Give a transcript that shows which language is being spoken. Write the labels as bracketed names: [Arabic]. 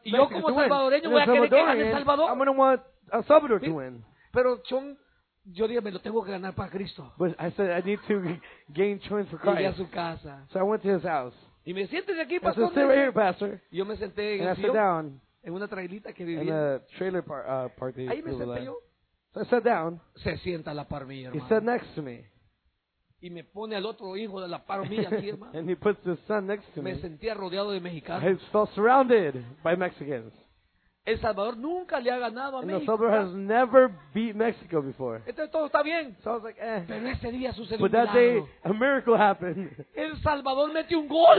[Spanish] y yo como salvadoreño voy a querer que gane El Salvador. [English] I'm going to want El Salvador to win. [Spanish] Pero Chong, yo dije, me lo tengo que ganar para Cristo. [English] But I said, I need to gain choice for Christ. [Spanish] Y a su casa. [English] So I went to his house. [Spanish] Y me sientes aquí, pastor. [English] I said, sit right here, pastor. [Spanish] Y yo me senté en [English] and [Spanish] el sillón, [English] down, [Spanish] en una trailita que vivía. [English] In a trailer park. [Spanish] Ahí me senté yo. [English] So I sat down. [Spanish] Se sienta a la par mía, hermano. [English] He sat next to me. [Spanish] Y me pone al otro hijo de la par mía aquí, hermano. [English] And he puts his son next to me. [Spanish] Me sentía rodeado de mexicanos. [English] I felt surrounded by Mexicans. [Spanish] El Salvador nunca le ha ganado a [English] and [Spanish] México. [English] El Salvador has never beat Mexico before. [Spanish] Entonces todo está bien. [English] So I was like, eh. [Spanish] Pero ese día sucedió un milagro. [English] But that day, a miracle happened. [Spanish] El Salvador metió un gol.